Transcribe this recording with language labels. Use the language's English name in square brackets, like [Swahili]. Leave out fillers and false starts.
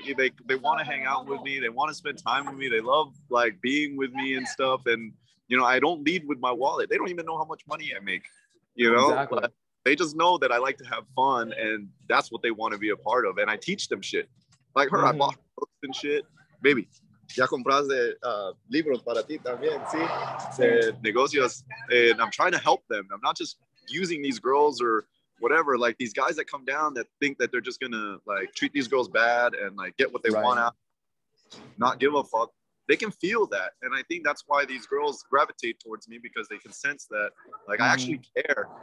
[English] They want to hang out with me. They want to spend time with me. They love, like, being with me and stuff. And, You know, I don't lead with my wallet. They don't even know how much money I make, you know, exactly. But they just know that I like to have fun and that's what they want to be a part of. And I teach them shit like her. Mm-hmm. I bought books and shit. [Spanish] Baby, ya compraste libros para ti también, ¿sí? Negocios. [English] And I'm trying to help them. I'm not just using these girls or whatever, like these guys that come down that think that they're just going to like treat these girls bad and like get what they right. want out, not give a fuck. They can feel that. And I think that's why these girls gravitate towards me, because they can sense that, like, mm-hmm. I actually care.